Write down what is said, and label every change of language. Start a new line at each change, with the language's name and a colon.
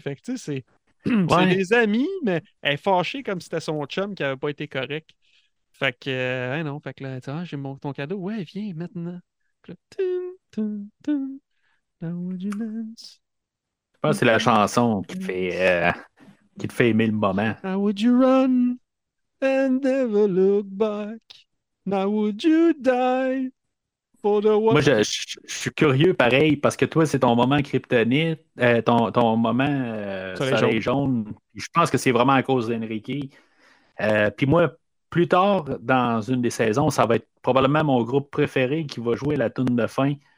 French: Fait que tu sais, c'est des amis, mais elle est fâchée comme si c'était son chum qui n'avait pas été correct. Fait que, non, fait que là, tu sais, j'ai ton cadeau. Ouais, viens maintenant. Là, tum, tum, tum,
English: tum, now would you dance?
French: Je pense que c'est la chanson qui te fait aimer le moment.
English: How would you run? And never look back. Now would you die for the one?
French: Moi, je suis curieux pareil parce que toi, c'est ton moment kryptonite, ton moment soleil jaune. Je pense que c'est vraiment à cause d'Enrique. Puis moi, plus tard dans une des saisons, ça va être probablement mon groupe préféré qui va jouer la toune de fin.